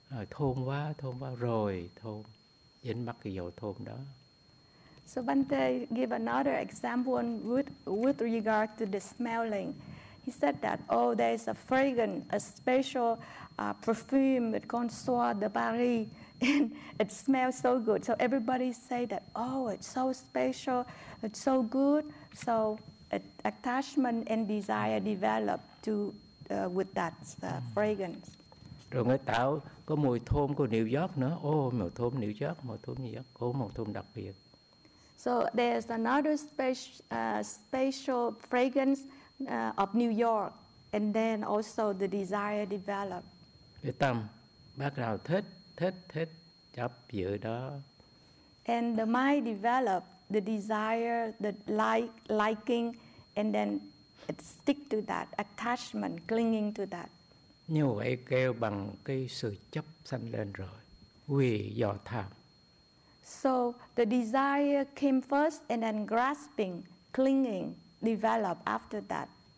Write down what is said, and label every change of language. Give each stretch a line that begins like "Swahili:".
Vietnamese: thôn quá rồi thôn dính mắc cái dầu thôn đó.
English: So Bhante gave another example with regard to the smelling. He said that, oh, there is a fragrance, a special perfume with consort de Paris, and it smells so good. So everybody say that, oh, it's so special, it's so good. So attachment and desire develop with that fragrance.
Vietnamese: Rồi mới tạo có mùi thơm của New York nữa. Oh, mùi thơm New York, mùi thơm New York, oh, mùi thơm đặc biệt.
English: So there's another special fragrance of New York, and then also the desire develop.
Vietnamese: Cái tâm bắt đầu thích chấp giữ đó.
English: And the mind develop the desire, the liking, and then it stick to that attachment, clinging to that.
Vietnamese: Như vậy kêu bằng cái sự chấp sanh lên rồi, vì do tham.
English: So the desire came first, and then grasping, clinging, develop after that.